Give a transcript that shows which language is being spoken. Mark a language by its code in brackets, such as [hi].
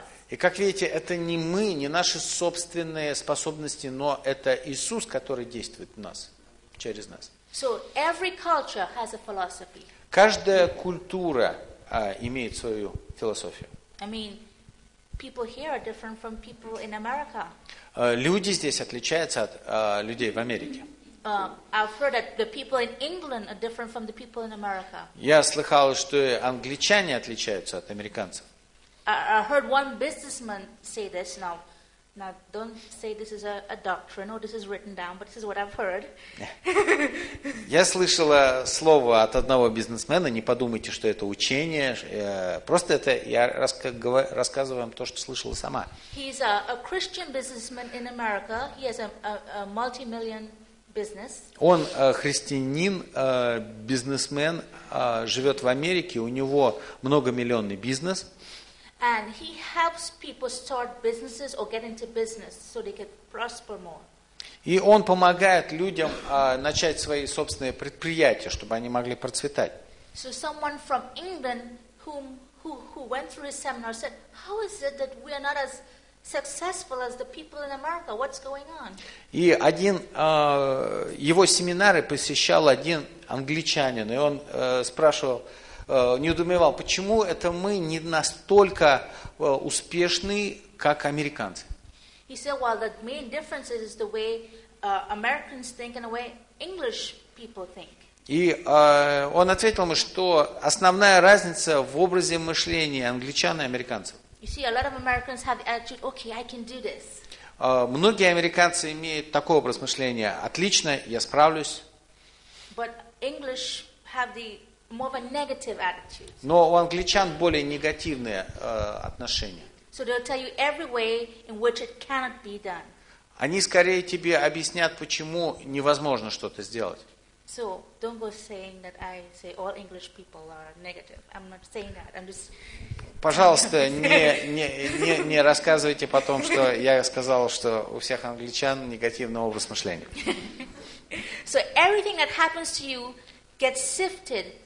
[ru] И как видите, это не мы, не наши собственные способности, но это Иисус, который действует в нас, через нас. [en] So every culture has a philosophy. [ru] Каждая культура имеет свою философию. [en] I mean, people here are different from people in America. [ru] Люди здесь отличаются от людей в Америке. [en] I've heard that the people in England are different from the people in America. [ru] Я слыхал, что и англичане отличаются от американцев. [en] I heard one businessman say this now. Now, don't say this is a doctrine or this is written down, but this is what I've heard. [ru] Я слышала слово от одного бизнесмена. Не подумайте, что это учение. Просто это я рассказываю вам то, что слышала сама. [en] He's a Christian businessman in America. He has a multi-million business. [ru] Он христианин, бизнесмен, живет в Америке. У него многомиллионный бизнес. [en] And he helps people start businesses or get into business so they can prosper more. [ru] И он помогает людям начать свои собственные предприятия, чтобы они могли процветать. [en] So someone from England who went through his seminar said, "How is it that we are not as successful as the people in America? What's going on?" [ru] И один его семинары посещал один англичанин, и он спрашивал. Не удумевал, почему это мы не настолько успешны, как американцы. [en] He said, well, the main difference is the way Americans think and the way English people think. [ru] И он ответил ему, что основная разница в образе мышления англичан и американцев. [en] You see, a lot of Americans have the attitude, okay, I can do this. [ru] Многие американцы имеют такой образ мышления, отлично, я справлюсь. [en] But English have the more of a negative attitude. [ru] Но у англичан более негативные отношения. [en] So they'll tell you every way in which it cannot be done. [ru] Они скорее тебе объяснят, почему невозможно что-то сделать. [en] So don't go saying that I say all English people are negative. I'm not saying that. I'm just. [ru] Пожалуйста, не рассказывайте потом, что я сказал, что у всех англичан негативный образ мышления. [en] So everything that happens to you gets sifted.